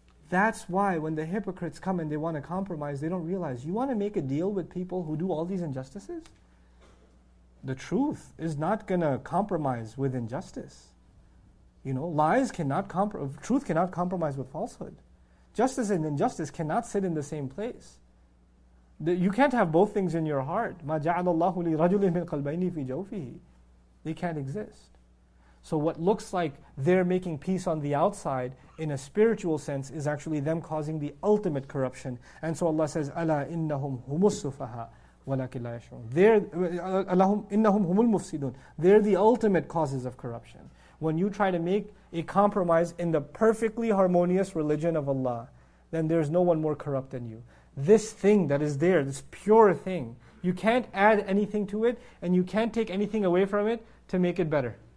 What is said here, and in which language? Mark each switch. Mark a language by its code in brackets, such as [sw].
[en] That's why when the hypocrites come and they want to compromise, they don't realize, you want to make a deal with people who do all these injustices? The truth is not going to compromise with injustice. You know, lies cannot truth cannot compromise with falsehood. Justice and injustice cannot sit in the same place. You can't have both things in your heart. [ar] مَا جَعَلَ اللَّهُ لِرَجُلٍ مِنْ قَلْبَيْنِ فِي جَوْفِهِ [en] They can't exist. So what looks like they're making peace on the outside in a spiritual sense is actually them causing the ultimate corruption. And so Allah says, [ar] أَلَا إِنَّهُمْ هُمُ السُّفَهَا وَلَكِنْ لَا يَشْعُرُونَ. [en] They're [ar] اللَّهُمْ إِنَّهُمْ هُمُ الْمُفْسِدُونَ. [en] They're the ultimate causes of corruption. When you try to make a compromise in the perfectly harmonious religion of Allah, then there's no one more corrupt than you. This thing that is there, this pure thing, you can't add anything to it, and you can't take anything away from it to make it better.